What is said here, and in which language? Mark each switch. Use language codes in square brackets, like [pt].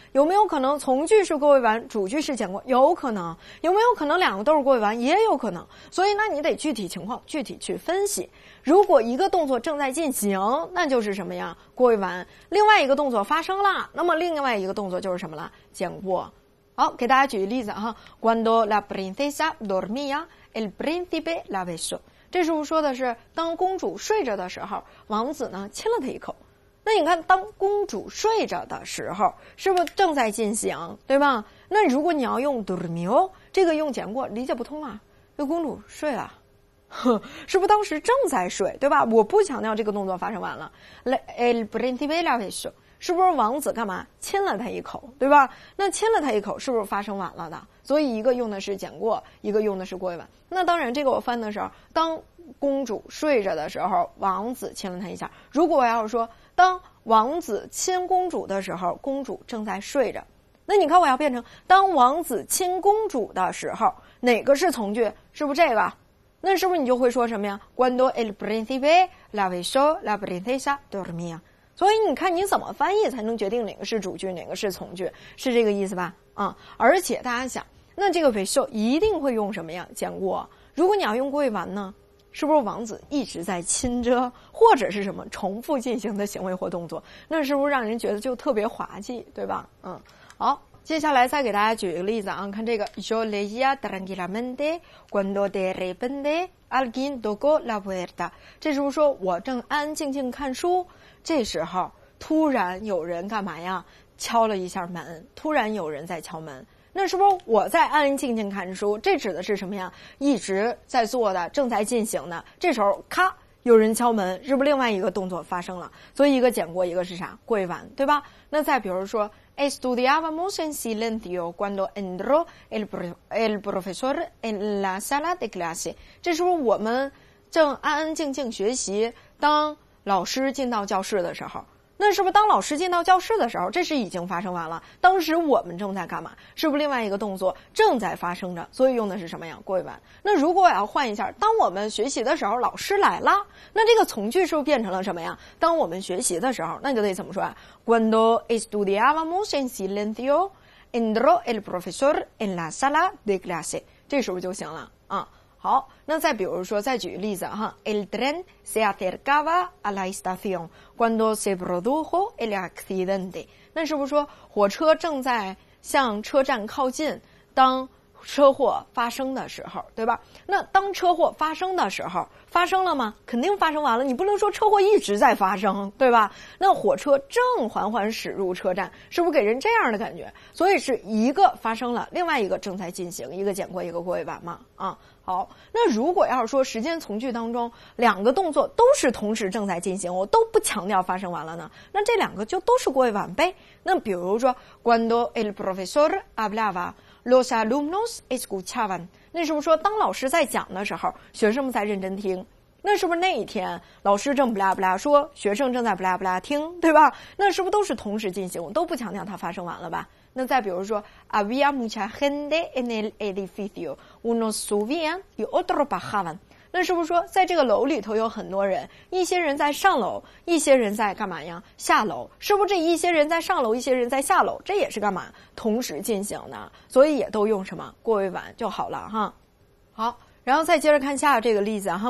[zh] 有没有可能从句是过未完，主句是简过？有可能。有没有可能两个都是过未完？也有可能。所以那你得具体情况具体去分析。如果一个动作正在进行，那就是什么呀？过未完。另外一个动作发生了，那么另外一个动作就是什么了？简过。好，给大家举个例子哈。 [es] Cuando la princesa dormía, el príncipe la besó。 [zh] 这时候说的是当公主睡着的时候，王子呢亲了她一口。那你看当公主睡着的时候是不是正在进行，对吧？那如果你要用 durmió 这个用简过理解不通啊，那公主睡了，是不是当时正在睡，对吧？我不强调这个动作发生完了。 [es] El príncipe la besó [zh] 是不是王子干嘛亲了她一口，对吧？那亲了她一口是不是发生晚了的？所以一个用的是简过，一个用的是过完。那当然这个我翻的时候，当公主睡着的时候王子亲了她一下，如果我要说当王子亲公主的时候公主正在睡着，那你看我要变成当王子亲公主的时候，哪个是从句？是不是这个？那是不是你就会说什么呀？ [es] 关多 el príncipe la besó la princesa dormía。 [zh] 所以你看你怎么翻译才能决定哪个是主句哪个是从句，是这个意思吧？啊、嗯，而且大家想，那这个 besó 一定会用什么呀？简过。如果你要用过未完呢，是不是王子一直在亲着，或者是什么重复进行的行为或动作？那是不是让人觉得就特别滑稽，对吧？嗯，好，接下来再给大家举一个例子啊，看这个 [es] yo leía tranquilamente cuando de repente alguien tocó la puerta。 [zh] 这是不是说我正安安静静看书，这时候突然有人干嘛呀？敲了一下门，突然有人在敲门。那是不是我在安安静静看书，这指的是什么呀？一直在做的正在进行的，这时候咔有人敲门，是不是另外一个动作发生了？所以一个简过，一个是啥？过一晚，对吧？那再比如说 [es] estudiábamos en silencio cuando entró el profesor en la sala de clase。 [zh] 这是不是我们正安安静静学习，当老师进到教室的时候，那是不是当老师进到教室的时候，这是已经发生完了，当时我们正在干嘛？是不是另外一个动作正在发生着？所以用的是什么呀？过完。那如果我要换一下，当我们学习的时候老师来了，那这个从句是不是变成了什么呀？当我们学习的时候，那就得怎么说啊？ [es] Cuando estudiábamos en silencio entró el profesor en la sala de clase。 [zh] 这时候就行了啊。好，那再比如说再举例子哈。 [es] El tren se acercaba a la estación cuando se produjo el accidente。 [zh] 那是不是说火车正在向车站靠近，当车祸发生的时候，对吧？那当车祸发生的时候，发生了吗？肯定发生完了，你不能说车祸一直在发生，对吧？那火车正缓缓驶入车站，是不是给人这样的感觉？所以是一个发生了，另外一个正在进行，一个剪过一个过尾板嘛。啊，好，那如果要是说时间从句当中两个动作都是同时正在进行，我都不强调发生完了呢，那这两个就都是过尾板呗。那比如说 [es] cuando el profesor hablabaLos alumnos escuchaban. [zh] 那是不是说当老师在讲的时候学生们在认真听，那是不是那一天老师正不拉不拉说学生正在不拉不拉听，对吧？那是不是都是同时进行，我都不强调它发生完了吧。那再比如说 [es] había mucha gente en el edificio, unos subían y otros bajaban. [zh] 那是不是说在这个楼里头有很多人，一些人在上楼，一些人在干嘛呀，下楼，是不是这一些人在上楼，一些人在下楼，这也是干嘛同时进行呢？所以也都用什么过尾板就好了哈。好，然后再接着看下这个例子哈。